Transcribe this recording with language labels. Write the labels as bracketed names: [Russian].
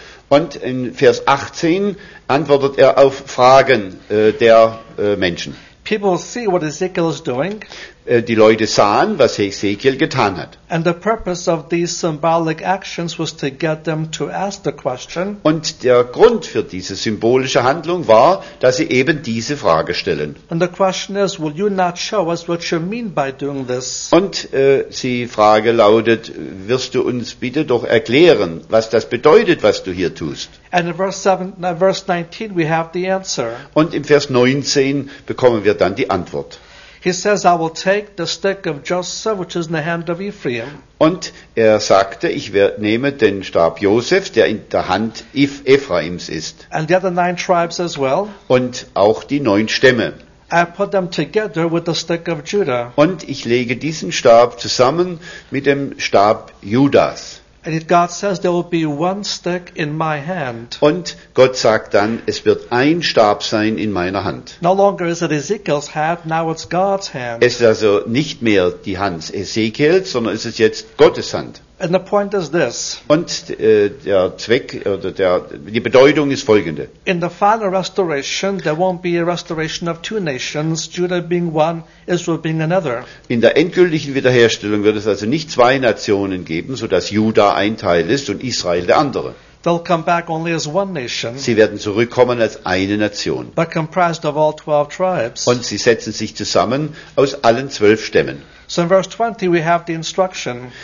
[German] Und in Vers 18 antwortet er auf Fragen der Menschen. [English] People see what Ezekiel is doing. [German] Die Leute sahen, was Ezekiel getan hat. [English] And the purpose of these symbolic actions was to get them to ask the question. [German] Und der Grund für diese symbolische Handlung war, dass sie eben diese Frage stellen. [English] And the question is, will you not show us what you mean by doing this? [German] Und die Frage lautet, wirst du uns bitte doch erklären, was das bedeutet, was du hier tust? [English] And in verse 19 we have the answer. [German] Und im Vers 19 bekommen wir dann die Antwort. [English] He says, I will take the stick of Joseph, which is in the hand of Ephraim. [German] Und er sagte, ich nehme den Stab Joseph, der in der Hand Ephraims ist. [English] And the other nine tribes as well. [German] Und auch die neun Stämme. [English] I put them together with the stick of Judah. [German] Und ich lege diesen Stab zusammen mit dem Stab Judas. [English] And God says there will be one stick in my hand. [German] Und Gott sagt dann, es wird ein Stab sein in meiner Hand. [English] No longer is it Ezekiel's hand, now it's God's hand. [German] Es ist also nicht mehr die Hand Ezekiels, sondern es ist jetzt Gottes Hand. [English] And the point is this. [German] Und der Zweck oder die Bedeutung ist folgende. [English] In the final restoration, there won't be a restoration of two nations, Judah being one, Israel being another. [German] In der endgültigen Wiederherstellung wird es also nicht zwei Nationen geben, so dass Juda ein Teil ist und Israel der andere. [English] They'll come back only as one nation. [German] Sie werden zurückkommen als eine Nation. [English] But comprised of all 12 tribes. [German] Und sie setzen sich zusammen aus allen 12 Stämmen. [English] So in verse 20 we have the instruction.